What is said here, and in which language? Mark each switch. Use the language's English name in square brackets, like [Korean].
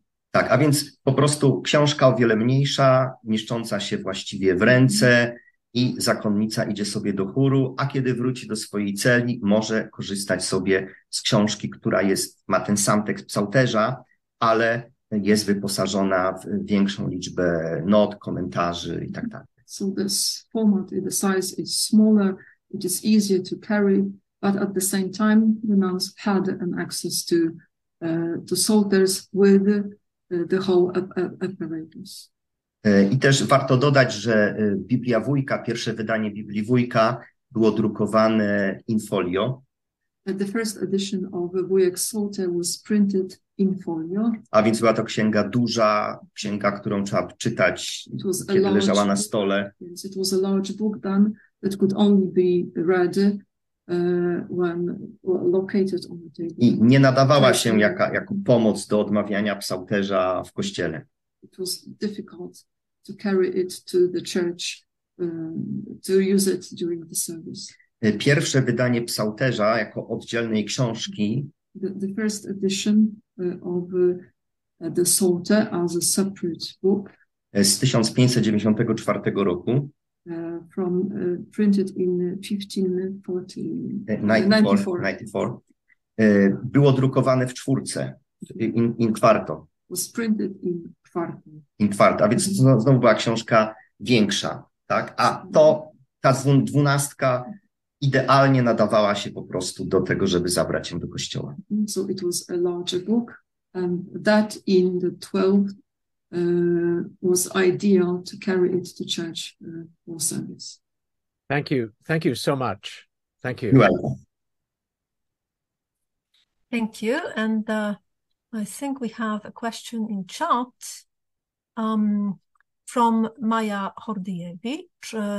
[Polish] Tak, a więc po prostu książka o wiele mniejsza, mieszcząca się właściwie w ręce, i zakonnica idzie sobie do chóru, a kiedy wróci do swojej celi, może korzystać sobie z książki, która ma ten sam tekst psalterza, ale jest wyposażona w większą liczbę not, komentarzy i tak dalej. [English] So this format, the size is smaller, it is easier to carry, but at the same time the nuns had an access to psalters with the whole apparatus. [Polish] I też warto dodać, że Biblia Wujka, pierwsze wydanie Biblii Wujka było drukowane in folio. [English] The first edition of Wujek's Psalter was printed in folio. [Polish] A więc była to księga duża, księga, którą trzeba czytać, kiedy leżała na stole. [English] Yes, it was a large book then that could only be read when located on the table. [Polish] I nie nadawała się jako pomoc do odmawiania psalterza w kościele. [English] It was difficult to carry it to the church, to use it during the service. [Polish] Pierwsze wydanie psalterza jako oddzielnej książki. [English] The first edition of the Psalter as a separate book. [Polish] Z 1594 roku. [English] From printed in 1594. [Polish] Było drukowane w czwórce, in kwarto. [English] Was printed in kwartę. [Polish] In kwartę, a więc znowu była książka większa, tak? A to ta dwunastka idealnie nadawała się po prostu do tego, żeby zabrać ją do kościoła. [English] So it was a larger book, and that in the 12th was ideal to carry it to church for service. Thank you so much. Thank you. You're welcome. Thank you, and I think we have a question in chat from Maja Hordiewicz.